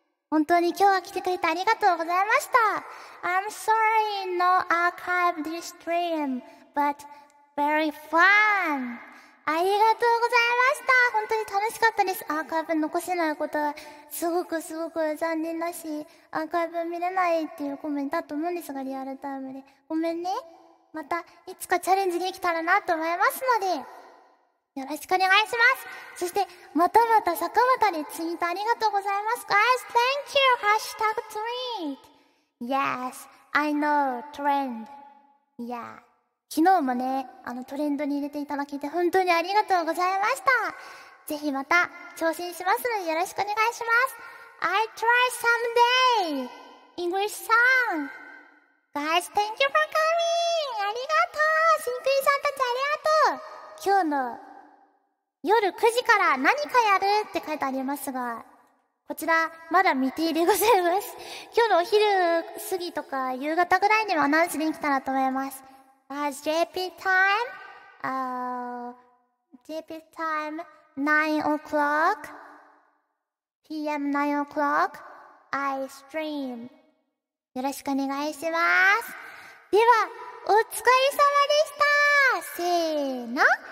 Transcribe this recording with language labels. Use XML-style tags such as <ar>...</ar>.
<ja>本当に今日は来てくれてありがとうございました。</ja> <en>I'm sorry no archive this stream, but very fun.</en> <ja>ありがとうございました。本当に楽しかったです。アーカイブ残せないことはすごくすごく残念だし、アーカイブ見れないっていうコメントだと思うんですが、リアルタイムで。ごめんね。またいつかチャレンジできたらなと思いますので。よろしくお願いします。そして、またまた坂本にツイートありがとうございます。</ja> <en>Guys, thank you! ハッシュタグツイート !Yes, I know, trend. Yeah.</en> <ja>昨日もね、トレンドに入れていただけて本当にありがとうございました。ぜひまた挑戦しますのでよろしくお願いします。</ja> <en>I try someday! English song! Guys, thank you for coming!</en> <ja>ありがとう新クイさんたちありがとう今日の夜9時から何かやるって書いてありますが、こちらまだ未定でございます。今日のお昼過ぎとか夕方ぐらいにもアナウンスできたらと思います。</ja> <en>As JP time, JP time 9 o'clock, PM 9 o'clock, I stream.</en> <ja>よろしくお願いします。では、お疲れ様でした！せーの！</ja>